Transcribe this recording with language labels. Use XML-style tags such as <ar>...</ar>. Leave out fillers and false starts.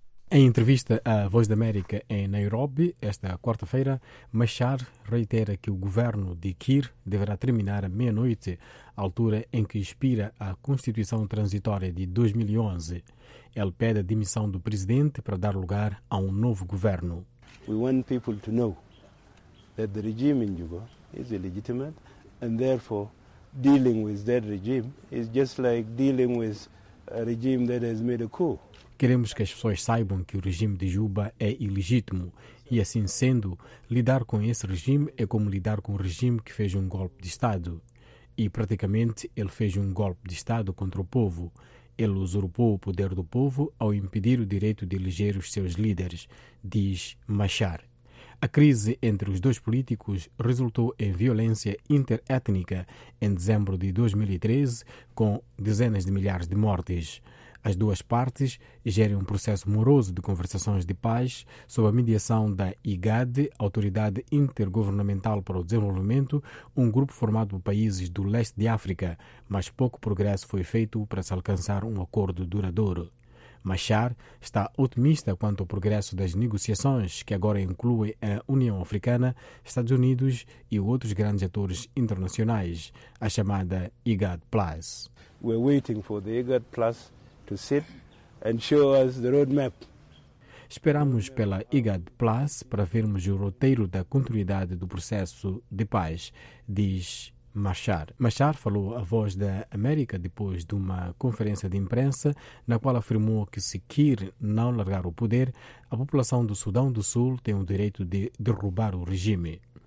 <pt>Em entrevista à Voz da América em Nairobi, esta quarta-feira, Machar reitera que o governo de Kiir deverá terminar à meia-noite, a altura em que expira a Constituição Transitória de 2011. Ele pede a demissão do presidente para dar lugar a um novo governo.</pt> <en>We want people to know that the regime in Juba is illegitimate and therefore dealing with that regime is just like dealing with a regime that has made a coup.</en> <pt>Queremos que as pessoas saibam que o regime de Juba é ilegítimo. E assim sendo, lidar com esse regime é como lidar com um regime que fez um golpe de Estado. E praticamente ele fez um golpe de Estado contra o povo. Ele usurpou o poder do povo ao impedir o direito de eleger os seus líderes, diz Machar. A crise entre os dois políticos resultou em violência interétnica em dezembro de 2013, com dezenas de milhares de mortes. As duas partes gerem um processo moroso de conversações de paz sob a mediação da IGAD, Autoridade Intergovernamental para o Desenvolvimento, um grupo formado por países do leste de África, mas pouco progresso foi feito para se alcançar um acordo duradouro. Machar está otimista quanto ao progresso das negociações, que agora incluem a União Africana, Estados Unidos e outros grandes atores internacionais, a chamada IGAD Plus.</pt> <en>We're waiting for the IGAD Plus to sit and show us the roadmap.</en> <pt>Esperamos pela IGAD Plus para vermos o roteiro da continuidade do processo de paz, diz Machar. Machar falou à Voz da América depois de uma conferência de imprensa na qual afirmou que se Kiir não largar o poder, a população do Sudão do Sul tem o direito de derrubar o regime.</pt>